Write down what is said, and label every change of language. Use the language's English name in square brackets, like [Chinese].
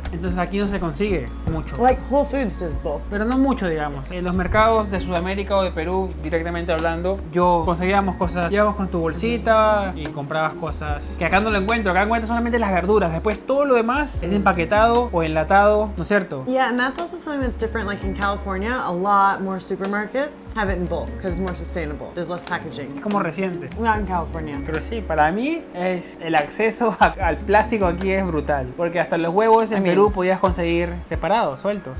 [Spanish] Entonces aquí no se consigue mucho. [English] Whole Foods is bulk. [Spanish] Pero no mucho, digamos. En los mercados de Sudamérica o de Perú, directamente hablando, yo conseguíamos cosas, llevamos con tu bolsita y comprabas cosas que acá no lo encuentro. Acá encuentras solamente las verduras, después todo lo demás es empaquetado o enlatado, ¿no es cierto? [English] Yeah, and that's also something that's different. Like in California, a lot more supermarkets have it in bulk because it's more sustainable. There's less packaging. [Spanish] Es como reciente. [English] Not in California. [Spanish] Pero sí, para mí es el acceso al plástico aquí es brutal, porque hasta los huevos en Perú podías conseguir separados, sueltos.